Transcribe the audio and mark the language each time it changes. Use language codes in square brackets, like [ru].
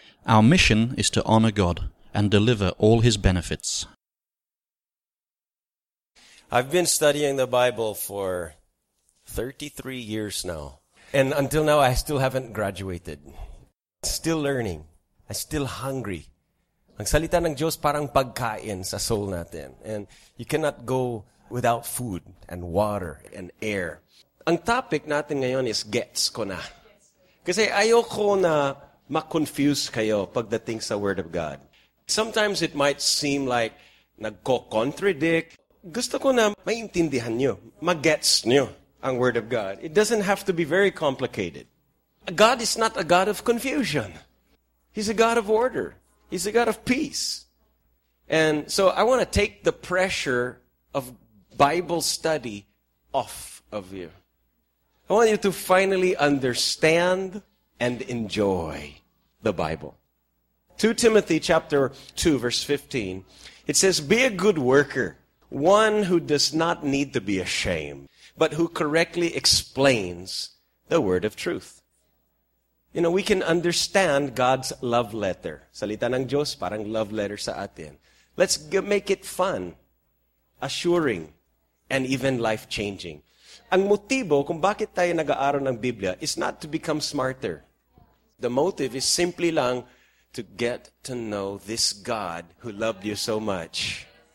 [en] Our mission is to honor God and deliver all His benefits. I've been studying the Bible for 33 years now. And until now, I still haven't graduated. Still learning. I'm still hungry. [tl] Ang salita ng Diyos parang pagkain sa soul natin. [en] And you cannot go without food and water and air. [tl] Ang topic natin ngayon is gets ko na. Kasi ayoko na ma-confuse kayo pagdating sa Word of God. [en] Sometimes it might seem like nagko-contradict. [tl] Gusto ko na maintindihan nyo, ma-gets nyo ang Word of God. [en] It doesn't have to be very complicated. God is not a God of confusion. He's a God of order. He's a God of peace. And so I want to take the pressure of Bible study off of you. I want you to finally understand and enjoy the Bible. 2 Timothy chapter 2, verse 15, it says, "Be a good worker, one who does not need to be ashamed, but who correctly explains the word of truth." You know, we can understand God's love letter. [tl] Salita ng Diyos, parang love letter sa atin. [en] Let's make it fun, assuring, and even life-changing. [tl] Ang motibo kung bakit tayo nag-aaral ng Biblia [en] is not to become smarter. The motive is simply lang to get to know this God who loved you so much.